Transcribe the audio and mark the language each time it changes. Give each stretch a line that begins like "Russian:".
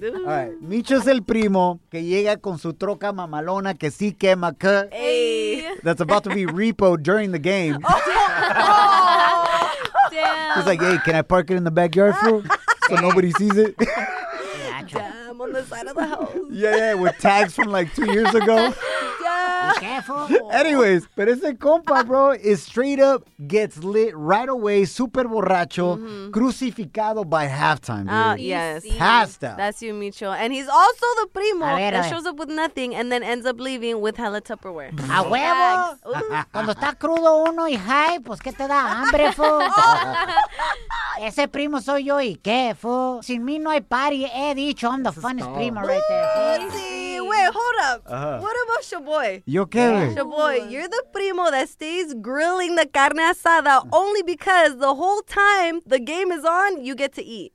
English: All right,
Spanish: Micho es el primo que llega con su troca mamalona que sí quema.
English: That's about to be repoed during the game. Damn. He's like, hey, can I park it in the backyard, fool? So nobody sees it. On the side of the house. Yeah, with tags from like 2 years ago. Careful. Anyways,
Spanish: pero ese compa,
English: bro, is straight up gets lit right away, super
Spanish: borracho, crucificado
English: by halftime. Ah, yes. Passed out. That's you, Micho. And he's also the primo that shows up with nothing and then ends up leaving with hella Tupperware.
Spanish: A huevo. Cuando está crudo uno y high, pues que te da hambre, fo. Ese primo soy yo y qué, fo. Sin mí no hay party. He dicho,
English: I'm the funnest primo right there. Wait, hold up. What about your boy?
Spanish: Yo quiero.
English: Your boy, you're the primo that stays grilling the carne asada only because the whole time the game is on, you get to eat.